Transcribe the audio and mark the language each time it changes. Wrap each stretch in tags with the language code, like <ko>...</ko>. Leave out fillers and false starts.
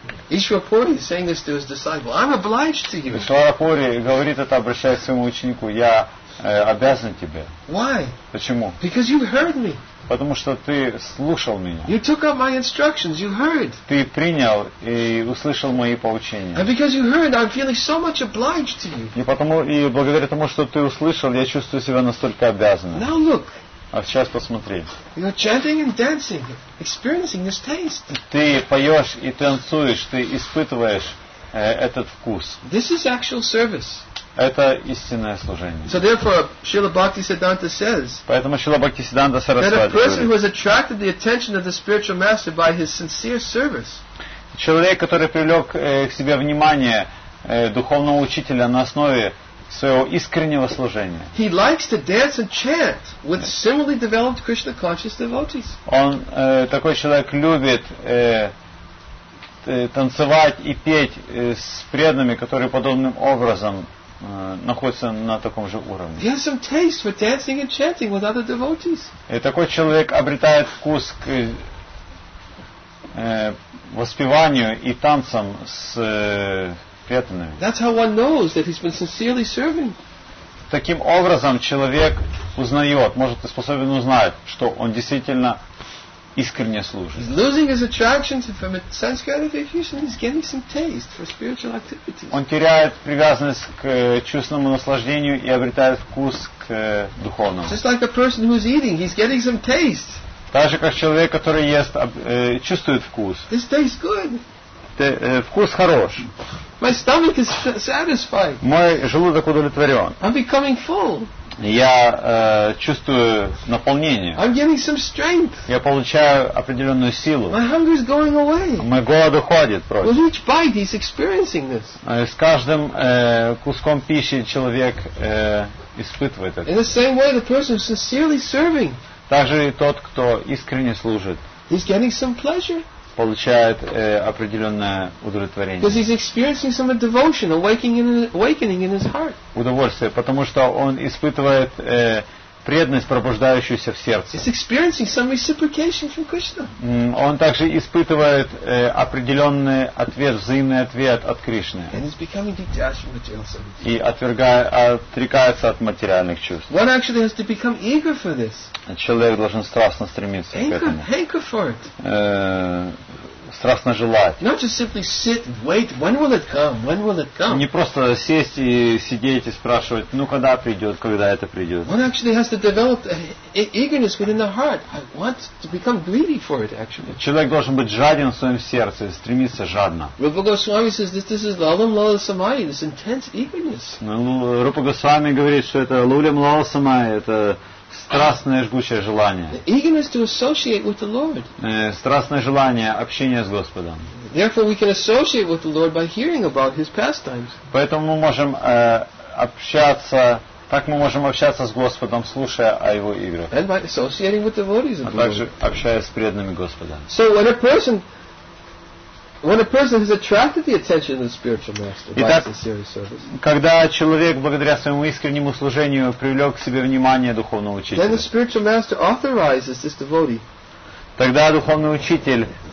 <en>Ишварапури is saying this to his disciple. I'm obliged to you.</en> <ru>Ишварапури говорит это, обращаясь к своему ученику. Я обязан тебе.</ru> <en>Why?</en> <ru>Почему?</ru> <en>Because you heard me.</en> <ru>Потому что ты слушал меня.</ru> <en>You took up my instructions. You heard.</en> <ru>Ты принял и услышал мои поучения.</ru> <en>And because you heard, I'm feeling so much obliged to you.</en> <ru>И благодаря тому, что ты услышал, я чувствую себя настолько обязанным.</ru> <en>Now look.</en> <ru>А сейчас посмотри.</ru> <en>You're chanting and dancing, experiencing this taste.</en> <ru>Ты поешь и танцуешь, ты испытываешь этот вкус.</ru> <en>This is actual service.</en> <ru>Это истинное служение.</ru> <en>So therefore, Srila Bhaktisiddhanta says,</en> <ru>поэтому Srila Bhaktisiddhanta Saraswati говорит,</ru> <en>that a person who has attracted the attention of the spiritual master by his sincere service,</en> <ru>человек, который привлек к себе внимание духовного учителя на основе своего искреннего служения,</ru> <en>he likes to dance and chant with similarly developed Krishna conscious devotees.</en> <ru>Он такой человек любит танцевать и петь с преданными, которые подобным образом находится на таком же уровне.</ru> <en>He has some taste for dancing and chanting with other devotees.</en> <ru>И такой человек обретает вкус к воспеванию и танцам с преданными.</ru> <en>That's how one knows that he's been sincerely serving.</en> <ru>Таким образом, человек узнает, может, способен узнать, что он действительно искренне служит.</ru> <en>He's losing his attraction to sense gratification. He's getting some taste for spiritual activity.</en> <ru>Он теряет привязанность к чувственному наслаждению и обретает вкус к духовному.</ru> <en>Just like a person who's eating, he's getting some taste.</en> <ru>Так же, как человек, который ест, чувствует вкус.</ru> <en>This tastes good.</en> <ru>Вкус хорош.</ru> <en>My stomach is satisfied.</en> <ru>Мой желудок удовлетворен.</ru> <en>I'm becoming full.</en> <ru>Я чувствую наполнение.</ru> <en>I'm getting some strength.</en> <ru>Я получаю определенную силу.</ru> <en>My hunger is going away.</en> <ru>Мой голод уходит просто.</ru> <en>With each bite he's experiencing this.</en> <ru>С каждым куском пищи человек испытывает это.</ru> <en>In the same way, the person is sincerely serving.</en> <ru>Также и тот, кто искренне служит,</ru> <en>he's getting some pleasure.</en> <ru>Получает определенное удовлетворение.</ru> <en>Because he's experiencing some devotion, awakening in his heart.</en> <ru>Удовольствие, потому что он испытывает преданность, пробуждающуюся в сердце.</ru> <en>He's experiencing some reciprocation from Krishna.</en> <ru>Он также испытывает определенный ответ, взаимный ответ от Кришны.</ru> <en>And he's becoming detached from material senses.</en> <ru>И отрекается от материальных чувств.</ru> <en>One actually has to become eager for this.</en> <ru>Человек должен страстно стремиться</ru> <en>hanker,</en> <ru>к этому.</ru> <en>Hanker for it.</en> <ru>Страстно желать.</ru> <en>Not just simply sit and wait. When will it come? When will it come?</en> <ru>Не просто сесть и сидеть и спрашивать, ну когда придет, когда это придет.</ru> <en>One actually has to develop eagerness within the heart. I want to become greedy for it actually.</en> <ru>Человек должен быть жаден в своем сердце, стремиться жадно.</ru> <en>Rupa Goswami says this is lalam lala samaya, this intense eagerness.</en> <ru>Rupa Goswami говорит, что это лулям лала самая, это страстное жгучее желание.</ru> <en>The eagerness to associate with the Lord.</en> <ru>Страстное желание общения с Господом.</ru> <en>Therefore, we can associate with the Lord by hearing about His pastimes.</en> <ru>Поэтому мы можем общаться, так мы можем общаться с Господом, слушая о Его играх.</ru> <en>And by associating with devotees.</en> <ru>А также общаясь с преданными Господа.</ru> <en>So when a person has attracted the attention of the spiritual master by his sincere service,</en> <ru>когда человек благодаря своему искреннему служению привлек к себе внимание духовного учителя,</ru> <en>then the spiritual master authorizes this devotee.</en> <ru>Тогда духовный учитель,</ru>